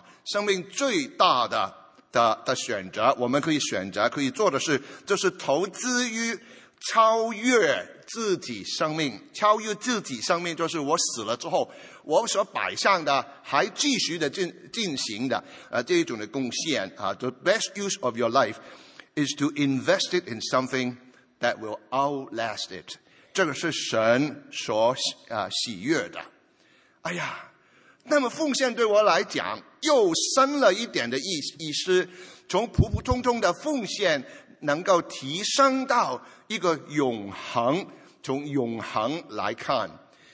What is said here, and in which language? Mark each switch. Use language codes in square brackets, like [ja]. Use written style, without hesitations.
[zh] 生命最大 的选择，我们可以选择可以做的事，就是投资于超越自己生命。超越自己生命就是我死了之后我所摆上的还继续的进行的这一种的贡献。 [en] The best use of your life is to invest it in something that will outlast it。 [zh] 这个是神所喜悦的。哎呀，那么奉献对我来讲又深了一点的意思，从普普通通的奉献能够提升到一个永恒，从永恒来看。